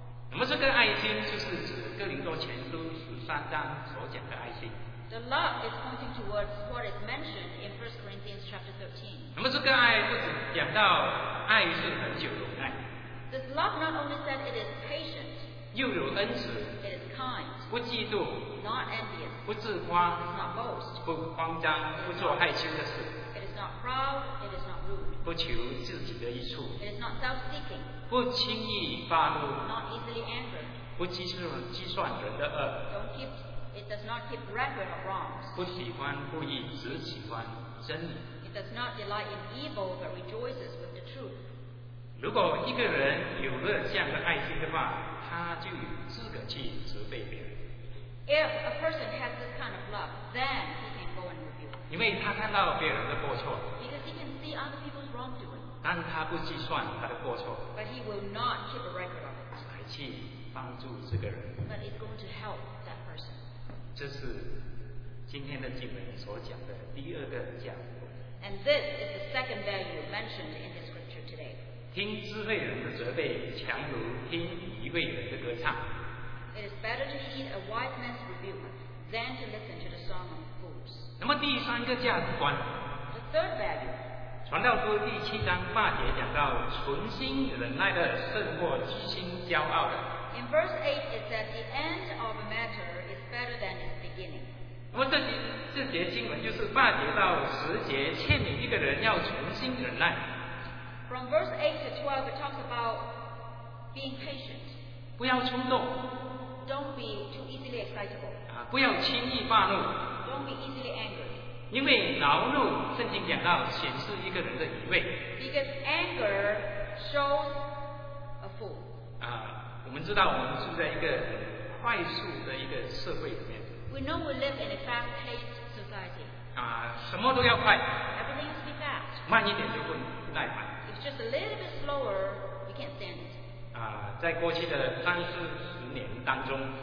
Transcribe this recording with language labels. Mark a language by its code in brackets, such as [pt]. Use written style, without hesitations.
[zh] 那么这个爱心就是指哥林多前书十三章所讲的爱心。 [en] The love is pointing towards what is mentioned in 1 Corinthians chapter 13. [zh] 那么这个爱不只讲到爱是恒久忍耐。 [en] This love not only said it is patient. [zh] 又有恩慈。 [en] It is kind. [zh] 不嫉妒。 [en] Not envious. [zh] 不自夸。 [en] It is not boast. [zh] 不慌张，不做害羞的事。 [en] It is not proud. It is not rude. [zh] 不求自己的益处。 [en] It is not self-seeking. [zh] 不轻易发怒。 [en] Not easily angered. [zh] 不计算人的恶。 [en] Don't keep. It does not keep record of wrongs. [zh] 不喜欢故意，只喜欢真理。 [en] It does not delight in evil, but rejoices with the truth. [zh] 如果一个人有了这样的爱心的话，他就有资格去责备别人。 [en] If a person has this kind of love, then he can go and rebuke. [zh] 因为他看到别人的过错。 [en] Because he can see other people's wrongdoing. [zh] 但他不计算他的过错。 [en] But he will not keep a record of it. [zh] 来去帮助这个人。 [en] But he's going to help that person. [zh] 这是今天的经文所讲的第二个价值。 [en] And this is the second value mentioned in the scripture today. [zh] 听智慧人的责备，强如听愚昧人的歌唱。 [en] It is better to heed a wise man's rebuke than to listen to the song of fools. [zh] 那么第三个价值观。 [en] The third value. [zh] 传道书第七章八节讲到，存心忍耐的胜过居心骄傲的。 [en] In verse 8, it says the end of a matter is better than its beginning. [zh] 那么这节经文就是八节到十节，劝勉一个人要存心忍耐。 [en] From verse 8 to 12, it talks about being patient. [zh] 不要冲动。 [en] Don't be too easily excitable. [zh] 不要轻易发怒。 [en] Don't be easily angry. [zh] 因为恼怒，圣经讲到显示一个人的愚昧。 [en] Because anger shows a fool. [zh] 我们知道我们住在一个快速的一个社会里面。 [en] We know we live in a fast-paced society. [zh] 什么都要快。 [en] Everything has to be fast. [zh] 慢一点就不耐烦。 [en] If it's just a little bit slower, you can't stand it. [zh] 在过去的三四十年当中。